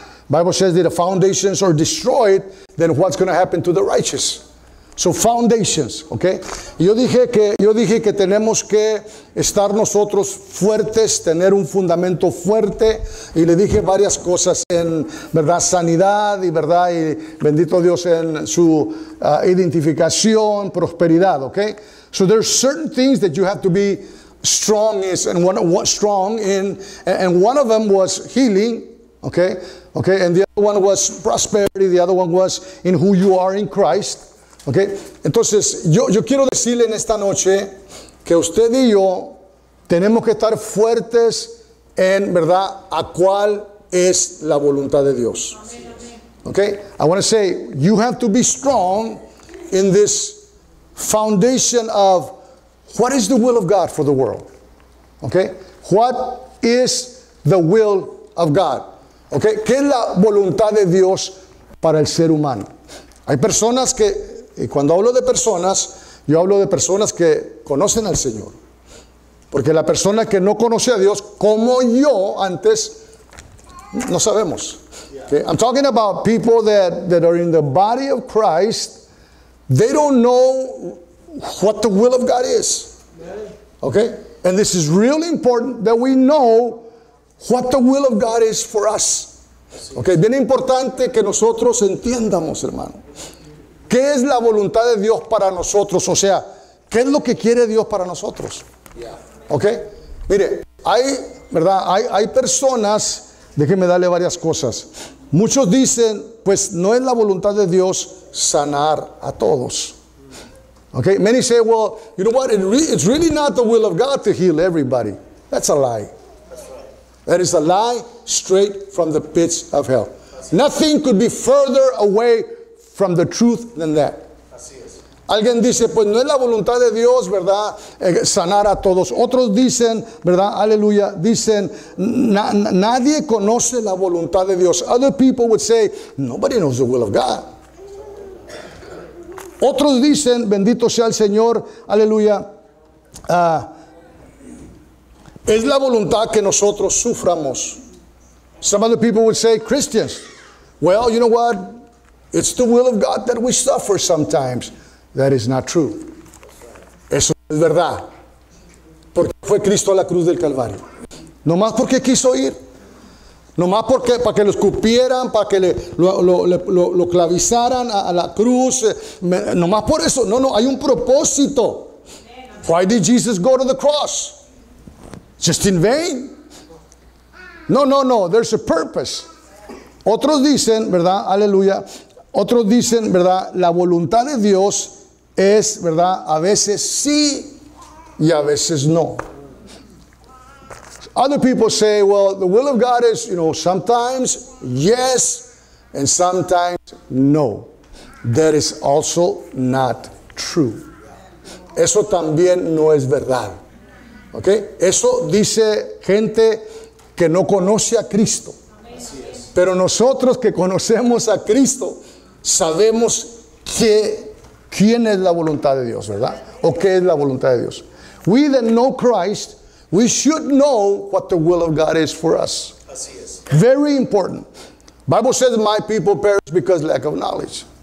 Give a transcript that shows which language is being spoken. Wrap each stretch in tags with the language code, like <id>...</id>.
<en>Bible says that if foundations are destroyed, then what's going to happen to the righteous? So foundations, okay?</en> <es>Yo dije que tenemos que estar nosotros fuertes, tener un fundamento fuerte, y le dije varias cosas en, ¿verdad?, sanidad y, ¿verdad?, y bendito Dios en su identificación, prosperidad, okay?</es> <en>So there's certain things that you have to be strong is and one what strong in, and one of them was healing, okay? Okay? And the other one was prosperity, the other one was in who you are in Christ.</en> <es>Okay, entonces yo quiero decirle en esta noche que usted y yo tenemos que estar fuertes en verdad a cuál es la voluntad de Dios.</es> <en>Okay, I want to say you have to be strong in this foundation of what is the will of God for the world. Okay, what is the will of God?</en> <es>Okay, ¿qué es la voluntad de Dios para el ser humano? Hay personas que y cuando hablo de personas, yo hablo de personas que conocen al Señor. Porque la persona que no conoce a Dios, como yo antes, no sabemos.</es> <en>Okay? I'm talking about people that are in the body of Christ. They don't know what the will of God is. Okay? And this is really important that we know what the will of God is for us.</en> <es>Okay? Bien importante que nosotros entiendamos, hermano. ¿Qué es la voluntad de Dios para nosotros? O sea, ¿qué es lo que quiere Dios para nosotros? ¿Ok? Mire, hay, ¿verdad? Hay personas, déjeme darle varias cosas. Muchos dicen, pues no es la voluntad de Dios sanar a todos.</es> <en>¿Ok? Many say, well, you know what? It's really not the will of God to heal everybody. That's a lie. That is a lie straight from the pits of hell. Nothing could be further away from the truth than that.</en> <es>Alguien dice, pues no es la voluntad de Dios, ¿verdad?, sanar a todos. Otros dicen, ¿verdad?, aleluya, dicen, nadie conoce la voluntad de Dios.</es> <en>Other people would say, nobody knows the will of God.</en> <es>Otros dicen, bendito sea el Señor, aleluya, es la voluntad que nosotros suframos.</es> <en>Some other people would say, Christians, well, you know what? It's the will of God that we suffer sometimes. That is not true.</en> <es>Eso es verdad. Porque fue Cristo a la cruz del Calvario. No más porque quiso ir. No más porque para que lo escupieran, para que lo clavizaran a la cruz. No más por eso. No, hay un propósito.</es> <en>Why did Jesus go to the cross? Just in vain. No. There's a purpose.</en> <es>Otros dicen, ¿verdad? Aleluya. Otros dicen, ¿verdad?, la voluntad de Dios es, ¿verdad?, a veces sí y a veces no.</es> <en>Other people say, well, the will of God is, you know, sometimes yes and sometimes no. That is also not true.</en> <es>Eso también no es verdad. ¿Ok? Eso dice gente que no conoce a Cristo. Pero nosotros que conocemos a Cristo, sabemos que, quién es la voluntad de Dios, ¿verdad? ¿O qué es la voluntad de Dios?</es> <en>We that know Christ, we should know what the will of God is for us. Very important. Bible says, my people perish because lack of knowledge.</en>